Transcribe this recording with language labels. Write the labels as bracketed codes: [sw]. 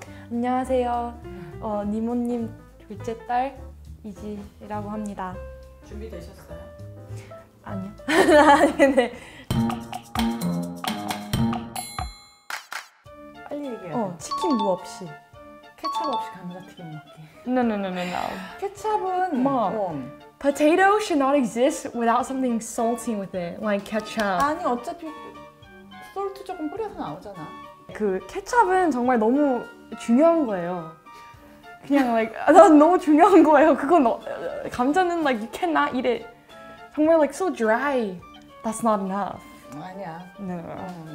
[ko] 안녕하세요, 니모님 둘째 딸 이지라고 합니다. 준비되셨어요? 아니요. 네. 빨리 얘기해요. 치킨 무 없이. 케첩 없이 감자튀김 먹기. [en] No. [ko] 케첩은 [en] Potato should not exist without something salty with it, like ketchup. [ko] 아니 어차피 salt 조금 뿌려서 나오잖아. 그 케첩은 정말 너무 중요한 거예요. 그냥 like 난 너무 중요한 거예요. 그건 감자는 [en] like you cannot eat it. [ko] 정말 [en] like so dry. That's not enough. [ko] 아니야. 네.